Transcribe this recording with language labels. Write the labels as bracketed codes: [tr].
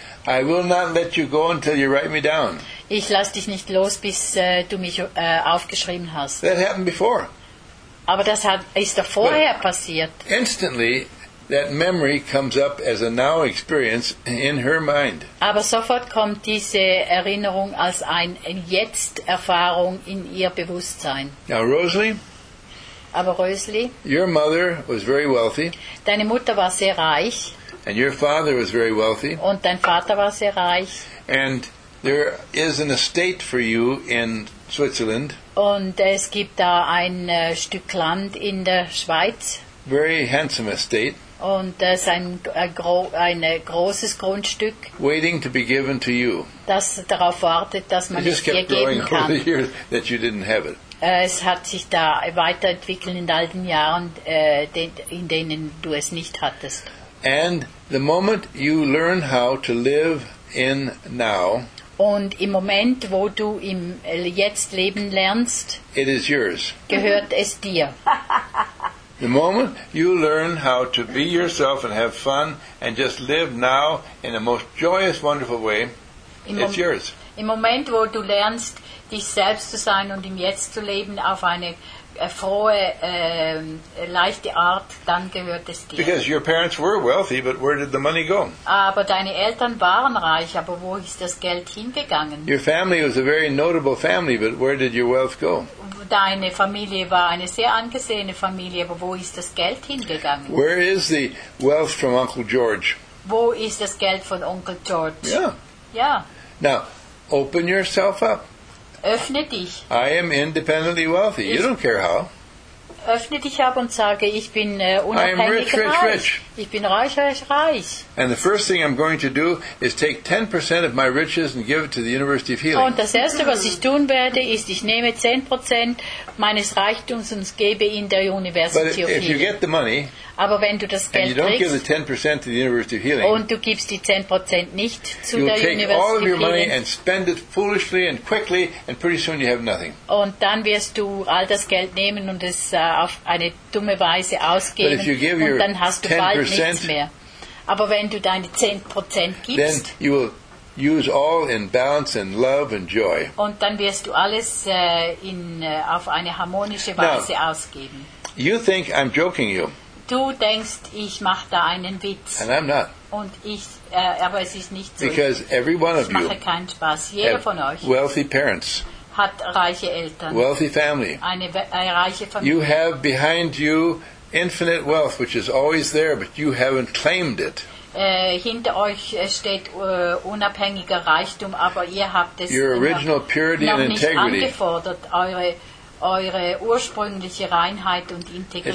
[en] I will not let you go until you write me down. [de] Ich lass dich nicht los, bis du mich aufgeschrieben hast. [en] That happened before. [de] Aber das ist doch vorher passiert. [en] Instantly, that memory comes up as a now experience in her mind. [de] Aber sofort kommt diese Erinnerung als ein Jetzt-Erfahrung in ihr Bewusstsein. [en] Now, Rosalie. [de] Aber Rosalie. [en] Your mother was very wealthy. [de] Deine Mutter war sehr reich. [en] And your father was very wealthy. [de] Und dein Vater war sehr reich. [en] And there is an estate for you in Switzerland. [de] Und es gibt da ein Stück Land in der Schweiz. [en] Very handsome estate. [de] Und das ist ein großes Grundstück. [en] Waiting to be given to you. [de] Das darauf wartet, dass man es dir geben kann. [en] Over the years that you didn't have it. [de] Es hat sich da weiterentwickelt in all den Jahren, in denen du es nicht hattest. [en] And the moment you learn how to live in now, [de] und im Moment, wo du im Jetzt leben lernst, [en] it is yours. [de] Gehört es dir. [en] The moment you learn how to be yourself and have fun and just live now in the most joyous, wonderful way, it's yours. [de] Im Moment, wo du lernst, dich selbst zu sein und im Jetzt zu leben auf eine frohe, leichte Art, dann gehört es dir. [en] Because your parents were wealthy, but where did the money go? [de] Aber deine Eltern waren reich, aber wo ist das Geld hingegangen? [en] Your family was a very notable family, but where did your wealth go? [de] Deine Familie war eine sehr angesehene Familie, aber wo ist das Geld hingegangen? [en] Where is the wealth from Uncle George? [de] Wo ist das Geld von Onkel George? [en] Yeah. Now, open yourself up. [de] Öffne dich. [en] I am independently wealthy. You don't care how. [de] Öffne dich ab und sage, ich bin unabhängig [en] rich, [de] reich. [en] Rich. [de] Ich bin reich, reich, reich. [en] And the first thing I'm going to do is take 10% of my riches and give it to the University of Healing. [de] Und das Erste, was ich tun werde, ist, ich nehme 10% meines Reichtums und gebe ihn der University [en] of Healing. But if you get the money, [de] aber wenn du das Geld [en] and you don't [de] kriegst, [en] give the 10% to the University of Healing, [de] und du gibst die 10% nicht zu der [en] of Healing, you'll take all of your money and spend it foolishly and quickly, and pretty soon you have nothing. [de] Und dann wirst du all das Geld nehmen und es auf eine dumme Weise ausgeben, und dann hast du bald nichts mehr. Aber wenn du deine 10% gibst, [en] then you will use all in balance and love and joy. [de] Und dann wirst du alles auf eine harmonische Weise [en] Now, [de] ausgeben. [en] You think I'm joking you. [de] Du denkst, ich mache da einen Witz. [en] And I'm not. [de] Und ich, aber es ist nicht so. [en] Because every one of [de] ich mache keinen Spaß. Jeder von euch [en] wealthy parents. [de] Hat reiche Eltern. [en] Wealthy family. [de] Eine reiche Familie. [en] You have behind you infinite wealth, which is always there, but you haven't claimed it. [de] Hinter euch steht unabhängiger Reichtum, aber ihr habt es [en] your original purity [de] noch [en] and integrity. [de] Nicht angefordert. Eure ursprüngliche Reinheit und Integrität